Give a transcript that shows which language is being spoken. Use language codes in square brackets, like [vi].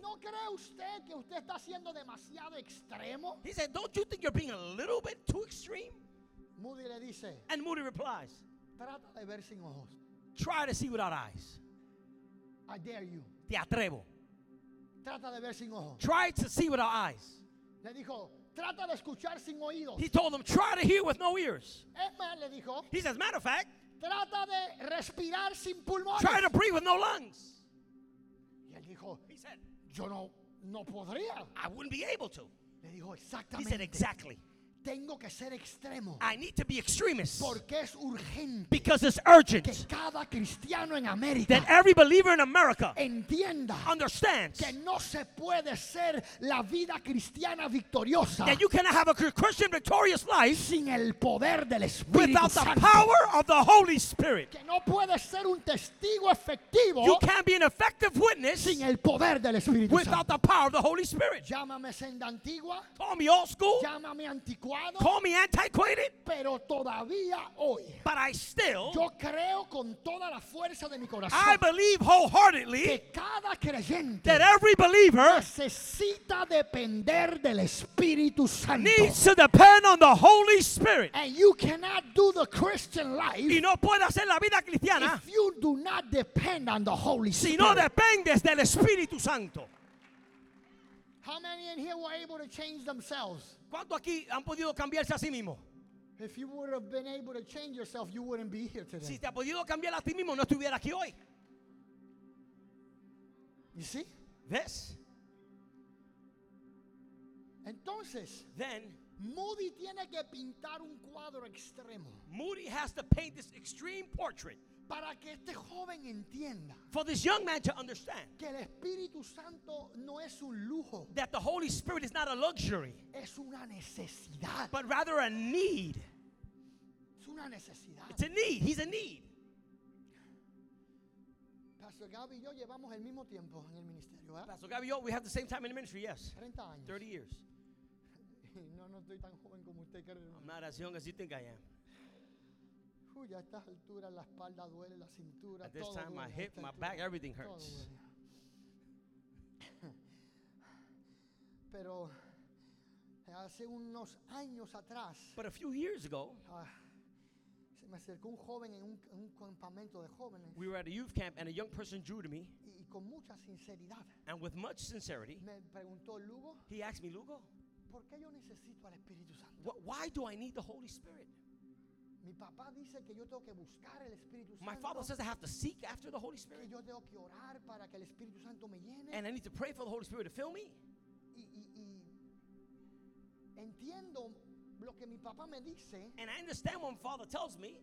[es] ¿No cree usted que usted está siendo demasiado extremo? [en] He said, don't you think you're being a little bit too extreme? [es] Moody le dice. [en] And Moody replies. [es] Trata de ver sin ojos. [en] Try to see without eyes. I dare you. [es] Te atrevo. Trata de ver sin ojos. [en] Try to see without eyes. [es] Le dijo, trata de escuchar sin oídos. [en] He told them, try to hear with no ears. [es] Es más, le dijo, [en] he says, matter of fact, [es] trata de respirar sin pulmones. [en] Try to breathe with no lungs. [es] Y él dijo, [en] he said, [es] yo no podría. [en] I wouldn't be able to. [es] Le dijo, exactamente. [en] He said, exactly. [es] Tengo que ser extremo. [en] I need to be extremist. [es] Porque es urgente. [en] Because it's urgent. [es] Que cada cristiano en América, [en] that every believer in America, [es] entienda, [en] understands, [es] que no se puede ser la vida cristiana victoriosa, [en] that you cannot have a Christian victorious life, [es] sin el poder del Espíritu [en] without [es] Santo, [en] the power of the Holy Spirit, [es] que no puede ser un testigo efectivo, [en] you can't be an effective witness, [es] sin el poder del Espíritu [en] Santo, without the power of the Holy Spirit. [es] Llámame senda antigua. [en] Call me old school. [es] Llámame antiguo. [en] Call me antiquated, [es] pero todavía hoy, [en] but I still, [es] yo creo con toda la fuerza de mi corazón, [en] I believe wholeheartedly, [es] que cada creyente, [en] that every believer, [es] necesita depender del Espíritu Santo, [en] needs to depend on the Holy Spirit, and you cannot do the Christian life, [es] y no puede hacer la vida cristiana, [en] if you do not depend on the Holy Spirit, [es] si no dependes del Espíritu Santo. [en] How many in here were able to change themselves? [es] ¿Cuántos aquí han podido cambiarse a sí mismo? [en] If you would have been able to change yourself, you wouldn't be here today. [es] Si te has podido cambiar a ti mismo, no estuviera aquí hoy. [en] You see? [es] ¿Ves? Entonces, [en] then, [es] Moody tiene que pintar un cuadro extremo. [en] Moody has to paint this extreme portrait. [es] Para que este joven entienda, [en] for this young man to understand, [es] que el Espíritu Santo no es un lujo, [en] that the Holy Spirit is not a luxury, [es] es una necesidad, [en] but rather a need. [es] Es una necesidad. [en] It's a need. He's a need. [es] Pastor Gaby y yo llevamos el mismo tiempo en el ministerio, ¿eh? [en] Pastor Gaby, yo, we have the same time in the ministry, yes. [es] 30 años. [en] 30 years. [es] No estoy tan joven como usted cree. [en] I'm not as young as you think I am. [es] A estas alturas la espalda duele, la cintura. [en] At this [es] todo [en] time, [es] duele, [en] my hip, my back, everything hurts. [es] Pero hace unos años atrás, [en] but a few years ago, [es] se me acercó un joven en un campamento de jóvenes. [en] We were at a youth camp and a young person drew to me. [es] Y con mucha sinceridad. [en] And with much sincerity, [es] me preguntó Lugo. [en] He asked me, Lugo, [es] ¿por qué yo necesito al Espíritu Santo? [en] Why do I need the Holy Spirit? [es] Mi papá dice que yo tengo que buscar el Espíritu Santo. [en] My father says I have to seek after the Holy Spirit. [es] Que yo tengo que orar para que el Espíritu Santo me llene. [en] And I need to pray for the Holy Spirit to fill me. [es] Y entiendo lo que mi papá me dice. [en] And I understand what my father tells me.